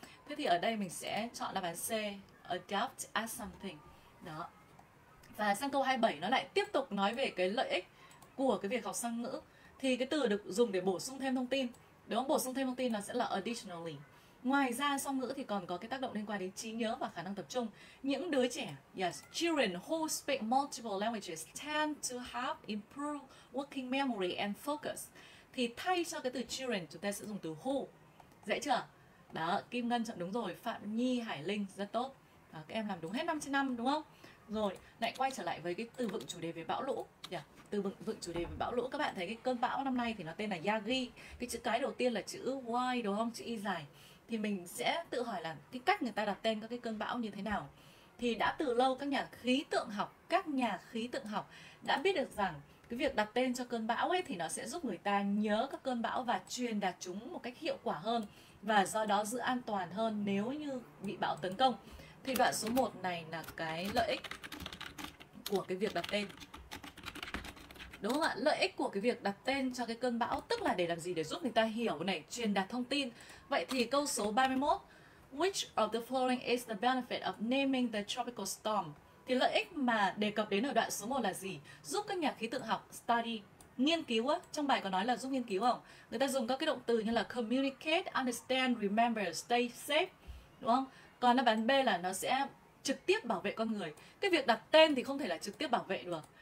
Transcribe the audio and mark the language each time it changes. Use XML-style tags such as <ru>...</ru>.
<vi>Thế thì ở đây mình sẽ chọn đáp án C,</vi> <en>adapt at something.</en> <vi>Đó. Và sang câu 27 nó lại tiếp tục nói về cái lợi ích của cái việc học song ngữ. Thì cái từ được dùng để bổ sung thêm thông tin, đúng không? Bổ sung thêm thông tin nó sẽ là additionally. Ngoài ra song ngữ thì còn có cái tác động liên quan đến trí nhớ và khả năng tập trung. Những đứa trẻ,</vi> <en>yes, children who speak multiple languages tend to have improved working memory and focus.</en> <vi>Thì thay cho cái từ children, chúng ta sẽ dùng từ who. Dễ chưa? Đó, Kim Ngân chọn đúng rồi, Phạm Nhi, Hải Linh, rất tốt. Đó, các em làm đúng hết 5 trên 5, đúng không? Rồi, lại quay trở lại với cái từ vựng chủ đề về bão lũ. Yeah. Từ vựng chủ đề về bão lũ, các bạn thấy cái cơn bão năm nay thì nó tên là Yagi. Cái chữ cái đầu tiên là chữ Y, đúng không? Chữ Y dài. Thì mình sẽ tự hỏi là cái cách người ta đặt tên các cái cơn bão như thế nào. Thì đã từ lâu các nhà khí tượng học đã biết được rằng cái việc đặt tên cho cơn bão ấy thì nó sẽ giúp người ta nhớ các cơn bão và truyền đạt chúng một cách hiệu quả hơn và do đó giữ an toàn hơn nếu như bị bão tấn công. Thì đoạn số 1 này là cái lợi ích của cái việc đặt tên. Đúng không ạ? Lợi ích của cái việc đặt tên cho cái cơn bão tức là để làm gì? Để giúp người ta hiểu này, truyền đạt thông tin. Vậy thì câu số 31,</vi> <en>which of the following is the benefit of naming the tropical storm?</en> <vi>Thì lợi ích mà đề cập đến ở đoạn số 1 là gì? Giúp các nhà khí tượng học study, nghiên cứu á. Trong bài có nói là giúp nghiên cứu không? Người ta dùng các cái động từ như là</vi> <en>communicate, understand, remember, stay safe.</en> <vi>Đúng không? Còn đáp án B là nó sẽ trực tiếp bảo vệ con người. Cái việc đặt tên thì không thể là trực tiếp bảo vệ được.</vi>